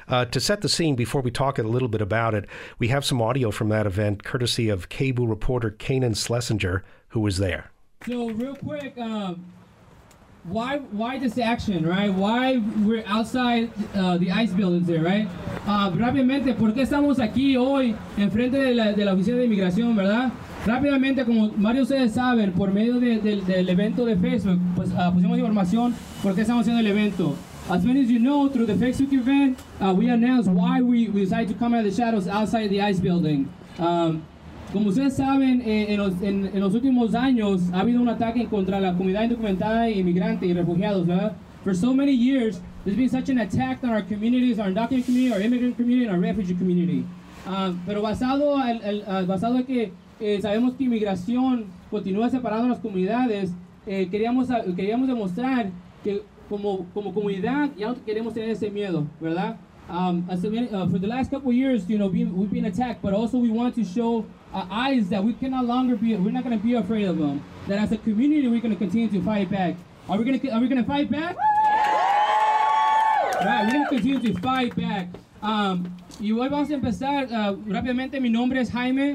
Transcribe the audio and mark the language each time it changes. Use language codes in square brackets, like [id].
[en] To set the scene, before we talk a little bit about it, we have some audio from that event, courtesy of KABU reporter Kanan Schlesinger, who was there. So real quick, Why this action, right? Why we're outside the ICE buildings there, right? [es] Rápidamente, ¿por qué estamos aquí hoy en frente de la oficina de inmigración, verdad? Rápidamente, como varios ustedes saben, por medio del evento de Facebook, pues pusimos información por qué estamos haciendo el evento. [en] As many as you know, through the Facebook event, we announced why we decided to come out of the shadows outside the ICE building. [es] Como ustedes saben, en los últimos años ha habido un ataque contra la comunidad indocumentada, inmigrante y refugiados, ¿verdad? [en] For so many years, there's been such an attack on our communities, our undocumented community, our immigrant community, and our refugee community. [es] Pero basado en que sabemos que inmigración continúa separando las comunidades, queríamos demostrar que como comunidad ya no queremos tener ese miedo, ¿verdad? [en] For the last couple of years, you know, we've been attacked, but also we want to show eyes that we can no longer be, we're not going to be afraid of them. That as a community, we're going to continue to fight back. Are we going to fight back? Woo! Right, we're going to continue to fight back. [es] Y hoy vamos a empezar, rápidamente, mi nombre es Jaime.